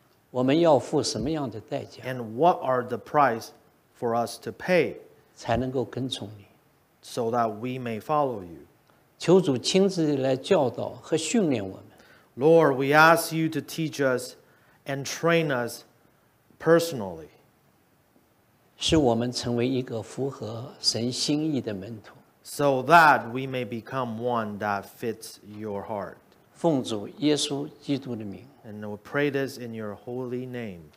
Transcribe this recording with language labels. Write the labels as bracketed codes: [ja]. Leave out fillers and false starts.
[zh] 我们要付什么样的代价? [en] And what are the price for us to pay? [zh] 才能够跟从你。 [en] So that we may follow you. [zh] 求主亲自来教导和训练我们。 [en] Lord, we ask you to teach us and train us personally. [zh] 使我们成为一个符合神心意的门徒。 [en] So that we may become one that fits your heart. [zh] 奉主耶稣基督的名。 [en] And we pray this in your holy name.